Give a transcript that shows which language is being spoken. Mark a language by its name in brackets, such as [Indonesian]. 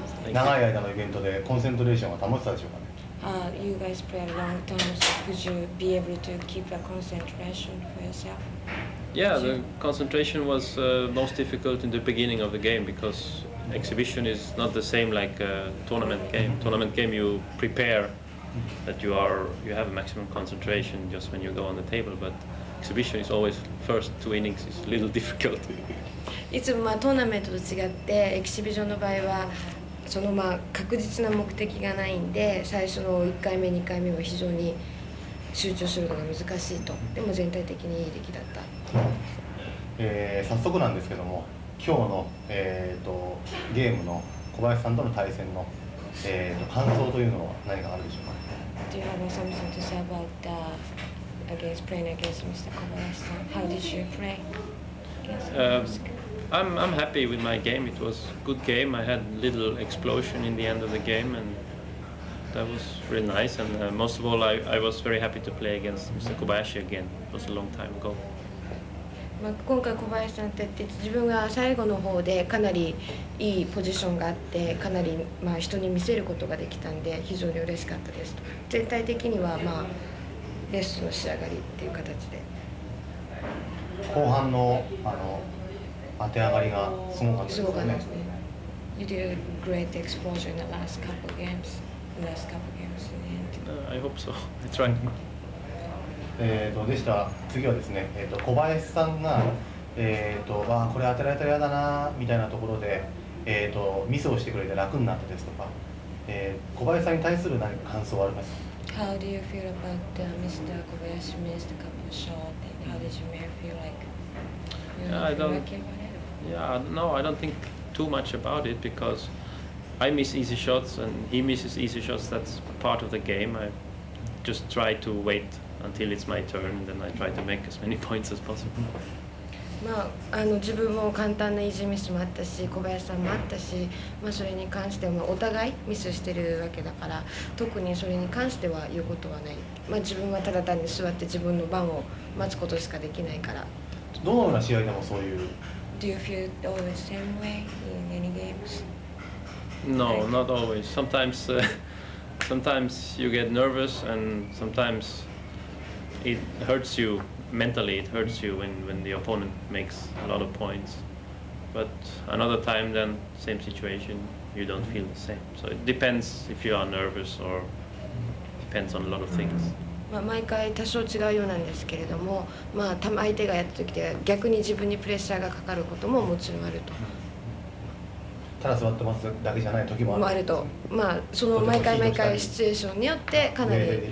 [Japanese] 長い間のイベントでコンセントレーションは保てたでしょうかね。 [English] You guys play a long time, so could you be able to keep a concentration for yourself? Yeah, the concentration was most difficult in the beginning of the game because exhibition is not the same like a tournament game. Tournament game you prepare that you have maximum concentration just when you go on the table, butExhibition is always first two innings is a little difficult. [Japanese] いつもまあトーナメントと違ってエキシビションの場合はそのまあ確実な目的がないんで最初の1回目2回目は非常に集中するのが難しいと。でも全体的にいい出来だった。早速なんですけども今日の、ゲームの小林さんとの対戦の、感想というのは何かあるでしょうか。 [English] Do you have something to say about the... against playing against Mr. Kobayashi-san. How did you play against him? I'm happy with my game. It was a good game. I had a little explosion in the end of the game and that was really nice. And most of all, I was very happy to play against Mr. Kobayashi again. It was a long time ago. [Japanese] まあ、今回小林さんって言って自分が最後の方でかなりいいポジションがあってかなりまあ人に見せることができたんで非常に嬉しかったです。全体的にはまあベストの仕上がりっていう形で後半 の当て上がりがすごかったですね。 [English] You did a great exposure in the last couple games. Last couple games in the end. I hope so. I tried. [Japanese] でした。次はですね、小林さんが、これ当てられたら嫌だなみたいなところで、ミスをしてくれて楽になったですとか、小林さんに対する何か感想はありますか。 [English] How do you feel about the Mr. Kobayashi missed a couple of shots and how did you feel like you don't I don't think too much about it because I miss easy shots and he misses easy shots, that's part of the game. I just try to waitUntil it's my turn, then I try to make as many points as possible. [Japanese] まあ、あの自分も簡単なイージーミスもあったし、小林さんもあったし、まあ、それに関してもお互いミスしてるわけだから、特にそれに関しては言うことはない。まあ、自分はただ単に座って自分の番を待つことしかできないから。どのような試合でもそういう。 [English] Do you feel always the same way in any games? No, not always. Sometimes, sometimes you get nervous and sometimes. It hurts you mentally, it hurts you when the opponent makes a lot of points. But another time then, same situation, you don't feel the same. So it depends if you are nervous or depends on a lot of things. [Japanese] まあ、毎回多少違うようなんですけれども、まあ、相手がやった時では逆に自分にプレッシャーがかかることももちろんあると。ただ座ってますだけじゃない時もある。あると。まあ、その毎回毎回シチュエーションによってかなり違う。